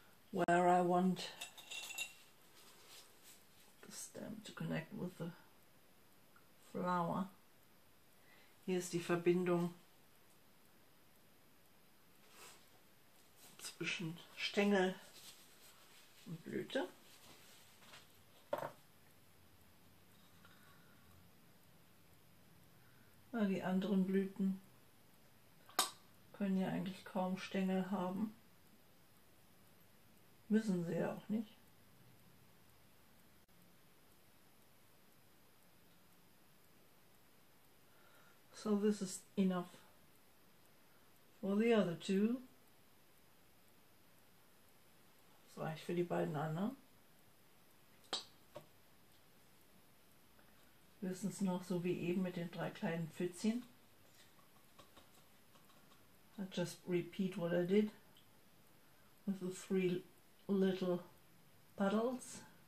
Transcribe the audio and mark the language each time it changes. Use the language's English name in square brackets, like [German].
[English] Where I want the stem to connect with the flower. [German] Hier ist die Verbindung zwischen Stängel und Blüte. Na, die anderen Blüten können ja eigentlich kaum Stängel haben. Müssen sie ja auch nicht. [English] So this is enough for the other two. [German] Das reicht für die beiden anderen. Wir wissen es noch so wie eben mit den drei kleinen Pfützchen. [English] I just repeat what I did with the three little petals.